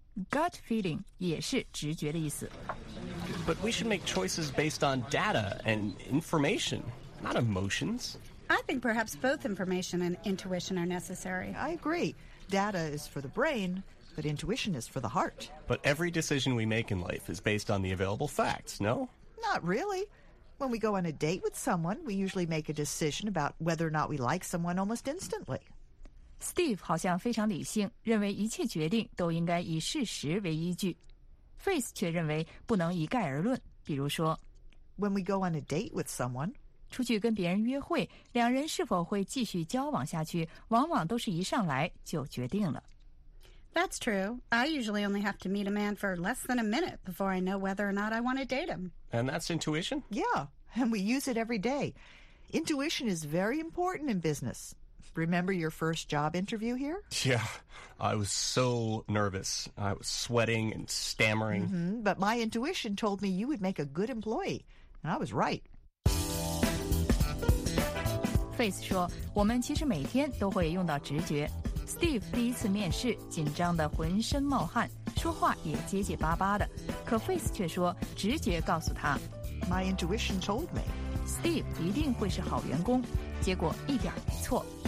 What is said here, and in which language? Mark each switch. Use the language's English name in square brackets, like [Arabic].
[Chinese] Gut feeling 也是直觉的意思。 [English] But we should make choices based on data and information, not emotions. I think perhaps both information and intuition are necessary. I agree. Data is for the brain, but intuition is for the heart. But every decision we make in life is based on the available facts, no? Not really. When we go on a date with someone, we usually make a decision about whether or not we like someone almost instantly. [Chinese] Steve 好像非常理性，认为一切决定都应该以事实为依据。 Faith 却认为不能一概而论，比如说 [English] When we go on a date with someone [Chinese] 出去跟别人约会，两人是否会继续交往下去，往往都是一上来就决定了。 [English] That's true. I usually only have to meet a man for less than a minute before I know whether or not I want to date him. And that's intuition? Yeah, and we use it every day. Intuition is very important in business. Remember your first job interview here? Yeah. I was so nervous. I was sweating and stammering. But my intuition told me you would make a good employee. And I was right. [Chinese] Faith 说，我们其实每天都会用到直觉。 Steve 第一次面试紧张得浑身冒汗，说话也结结巴巴的，可 Face 却说直觉告诉他 [English] My intuition told me [Chinese] Steve 一定会是好员工，结果一点没错。